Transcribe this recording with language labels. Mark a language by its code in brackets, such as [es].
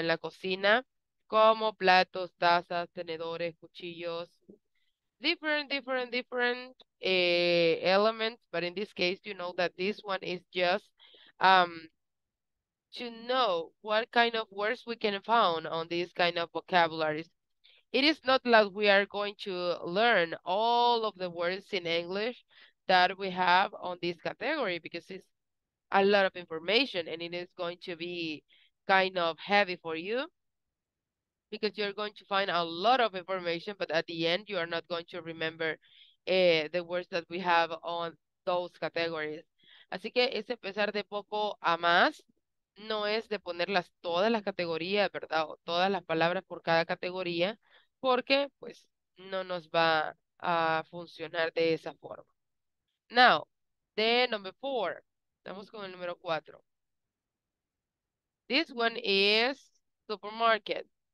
[es] En la cocina, como platos, tazas, tenedores, cuchillos. [en] Different elements. But in this case, you know that this one is just to know what kind of words we can find on these kind of vocabularies. It is not like we are going to learn all of the words in English that we have on this category, because it's a lot of information and it is going to be kind of heavy for you, because you're going to find a lot of information, but at the end, you are not going to remember the words that we have on those categories. [es] Así que es empezar de poco a más. No es de ponerlas todas las categorías, ¿verdad? O todas las palabras por cada categoría, porque pues no nos va a funcionar de esa forma. [en] Now, the number four. [es] Estamos con el número cuatro. [en] This one is supermarket.